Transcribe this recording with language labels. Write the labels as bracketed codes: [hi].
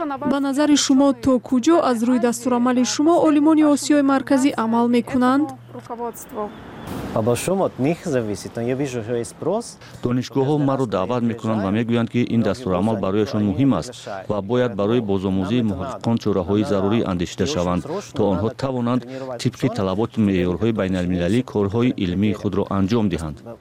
[fa] به نظر شما تا کجا از روی دستورالعمل شما عالمان آسیای مرکزی عمل می کنند؟ [ru] руководству. По большому от них зависит, но я вижу, что есть спрос. [tg] Донишкого мару дават мекунан ва мегуянд ки ин дастур амал бароишон муҳим аст ва бояд барои бозомузи муҳаққиқон чораҳои зарури андешида шаванд, то онҳо тавонанд тибқи талаботи меъёрҳои байналмилалӣ корҳои илмии худро анҷом диҳанд.